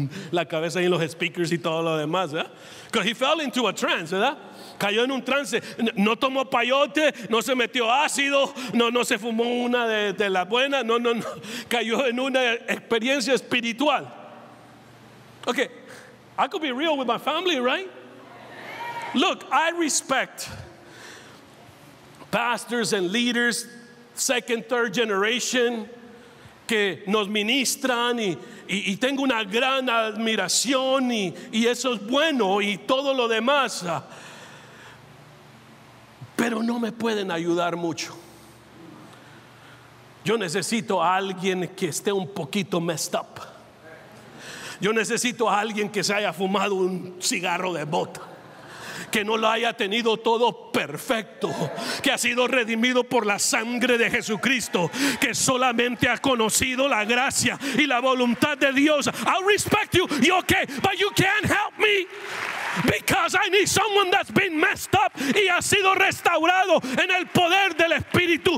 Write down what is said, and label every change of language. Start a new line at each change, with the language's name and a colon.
Spanish: La cabeza ahí en los speakers y todo lo demás, ¿verdad?
English: Because he fell into a trance,
Spanish: ¿verdad? Cayó en un trance. No tomó payote, no se metió ácido, no se fumó una de la buena. No. Cayó en una experiencia espiritual.
English: Okay, I could be real with my family, right? Look, I respect pastors and leaders, second, third generation,
Spanish: que nos ministran y tengo una gran admiración y eso es bueno y todo lo demás. Pero no me pueden ayudar mucho. Yo necesito a alguien que esté un poquito
English: messed up.
Spanish: Yo necesito a alguien que se haya fumado un cigarro de bota, que no lo haya tenido todo perfecto, que ha sido redimido por la sangre de Jesucristo, que solamente ha conocido la gracia y la voluntad de Dios.
English: I respect you, you're okay, but you can't help me because I need someone that's been messed up
Spanish: y ha sido restaurado en el poder del Espíritu.